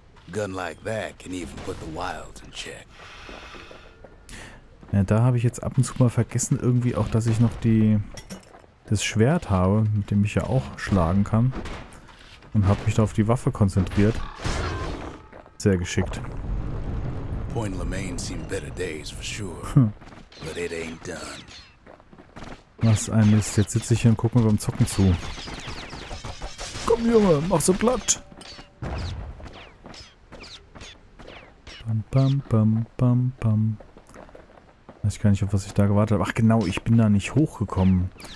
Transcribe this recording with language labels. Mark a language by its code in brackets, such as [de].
[en] Gun like that can even put the wilds in check. [de] Ja, da habe ich jetzt ab und zu mal vergessen, irgendwie auch, dass ich noch das Schwert habe, mit dem ich ja auch schlagen kann. Und habe mich da auf die Waffe konzentriert. Sehr geschickt. [en] Point Lemain seemed better days for sure. But it ain't done. [de] Was ein Mist. Jetzt sitze ich hier und gucke mir beim Zocken zu. Komm, Junge, mach so platt! Bam, bam, bam, bam, bam. Weiß ich gar nicht, auf was ich da gewartet habe. Ach genau, ich bin da nicht hochgekommen.